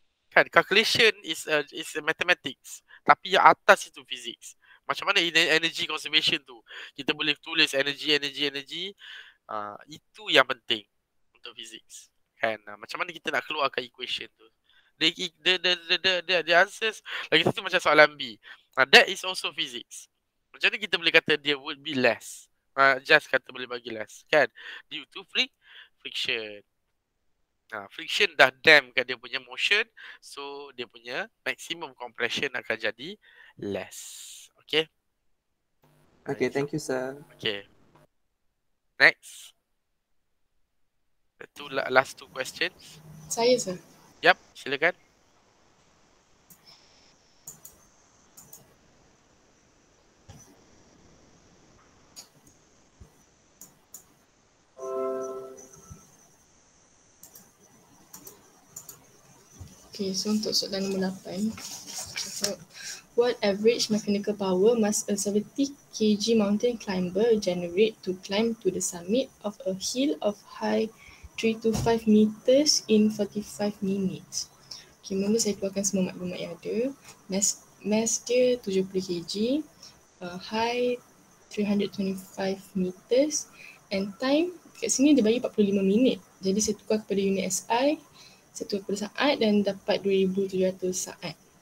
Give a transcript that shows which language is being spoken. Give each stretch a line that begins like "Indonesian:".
English: Kan, calculation is is mathematics.
Malay: Tapi yang atas itu physics. Macam mana energy conservation tu? Kita boleh tulis energy, energy, energy. Itu yang penting untuk physics. Kan, macam mana kita nak keluarkan equation tu?
English: The answers,
Malay: lagi satu macam soalan B.
English: That is also physics.
Malay: Macam mana kita boleh kata dia
English: would be less?
Malay: Just kata boleh bagi less, kan?
English: Due to friction. Friction
Malay: dah dampkan dia punya
English: motion.
Malay: So, dia punya maximum compression akan jadi less. Okay?
English: Okay, so, thank you, sir. Okay. Next. The two, last two questions.
Malay: Saya, sir. Yap, silakan. Okay, so untuk soalan nombor 8.
English: What average mechanical power must a 70 kg mountain climber generate to climb to the summit of a hill of high 325 meters in 45 minutes.
Malay: Okay, mula saya keluarkan semua maklumat yang ada. Mass dia 70 kg, high 325 meters,
English: and time
Malay: kat sini dia bagi 45 minit. Jadi saya tukar kepada unit SI, saya tukar kepada saat dan dapat 2700 saat.